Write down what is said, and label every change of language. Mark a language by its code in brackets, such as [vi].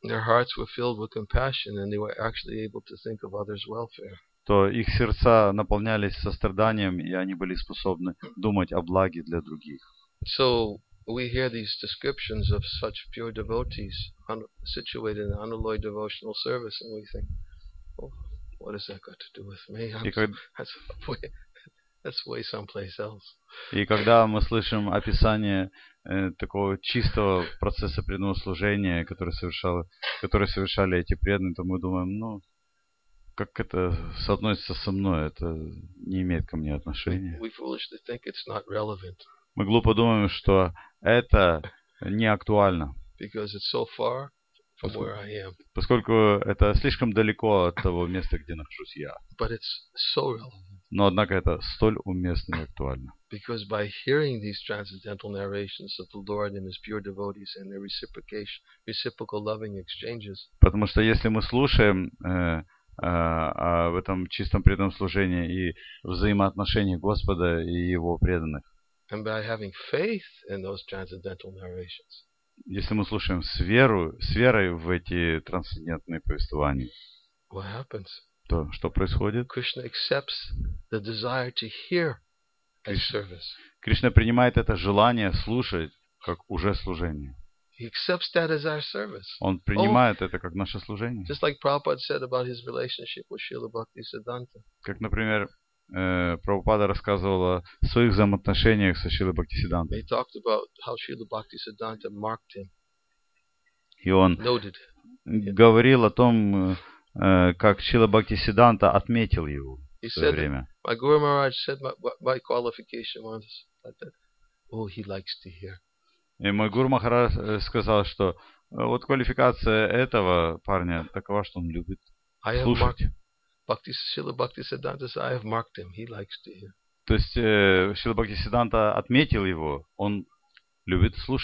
[en] Their hearts were filled with compassion and they were actually able to think of others' welfare. [ru] То их сердца наполнялись состраданием, и они были способны думать о благе для других. [en] So we hear these descriptions of such pure devotees situated in unalloyed devotional service and we think, oh, what has that got to do with me? I'm, [ru] когда, [en] that's way, That's way someplace else. [ru] И когда мы слышим описание такого чистого процесса преданного служения, который совершали эти преданные, то мы думаем, ну, как это соотносится со мной, это не имеет ко мне отношения. [en] We foolishly think it's not relevant. [ru] Мы глупо думаем, что это не актуально. [en] Because it's so far from where I am. [ru] Поскольку это слишком далеко от того места, где нахожусь я. [en] But it's so relevant. [ru] Но, однако, это столь уместно и актуально. [en] Because by hearing these transcendental narrations of the Lord and His pure devotees and their reciprocal loving exchanges. [ru] Потому что если мы слушаем в этом чистом преданном служении и взаимоотношении Господа и Его преданных. [en] And by having faith in those transcendental narrations. [ru] Если мы слушаем с верой в эти трансцендентные повествования, [en] what happens? [ru] То что происходит? [en] Krishna accepts the desire to hear as service. [ru] Кришна принимает это желание слушать как уже служение. [en] He accepts that as our service. [ru] Он принимает это как наше служение. [en] Just like Prabhupada said about his relationship with Srila Bhaktisiddhanta. [ru] Как, например, Прабхупада рассказывал о своих взаимоотношениях со Шрилой Бхактисиддхантой. [en] He talked about how Srila Bhaktisiddhanta marked him. [ru] И он [en] noted. [ru] Говорил о том, как Шрила Бхактисиддханта отметил его в [en] he [ru] свое [en] said [ru] время. [en] My Guru Maharaj said my qualification was like that. Oh, he likes to hear. [ru] И мой Гуру Махарадж сказал, что вот квалификация этого парня такова, что он любит слушать. То есть Шрила Бхактисиддханта отметил его, он любит